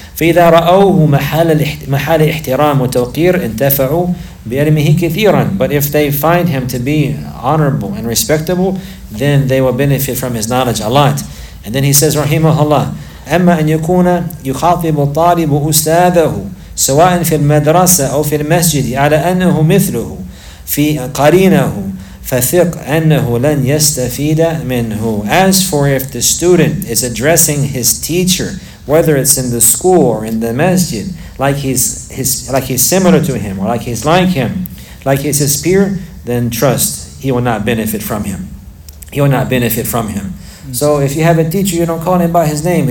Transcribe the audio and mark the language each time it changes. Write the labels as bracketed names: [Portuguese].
[Arabic] فإذا رأوه محل احترام وتوقير انتفعوا بعلمه كثيراً. [English] But if they find him to be honorable and respectable, then they will benefit from his knowledge a lot. And then he says, [Arabic] رحمه الله, أما أن يكون يخاطب الطالب أستاذه سواء في المدرسة أو في المسجد على أنه مثله في قرينه فثق أنه لن يستفيد منه. [English] As for if the student is addressing his teacher, whether it's in the school or in the masjid, like he's similar to him, or like he's his peer, then trust, he will not benefit from him. He will not benefit from him. So if you have a teacher, you don't call him by his name.